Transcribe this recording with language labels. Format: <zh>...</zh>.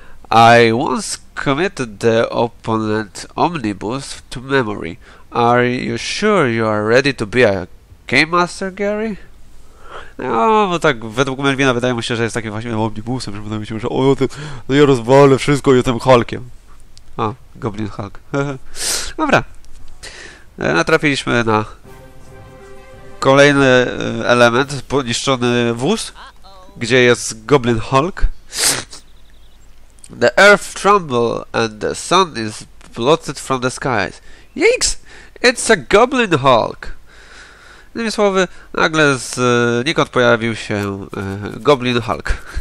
<en>I once committed the opponent omnibus to memory. Are you sure you are ready to be a Game Master Gary?</en> <pl>No, bo tak według Melvina wydaje mu się, że jest takim właśnie omnibusem, że wydaje mi się, że o, to ja rozwalę wszystko i jestem Hulkiem. O, Goblin Hulk. Dobra. Natrafiliśmy na kolejny element, poniszczony wóz, gdzie jest Goblin Hulk.</pl> <en>The earth trembles and the sun is blotted from the skies. Yikes! It's a Goblin Hulk!</en> <pl>Innymi słowy, nagle znikąd pojawił się Goblin Hulk.</pl>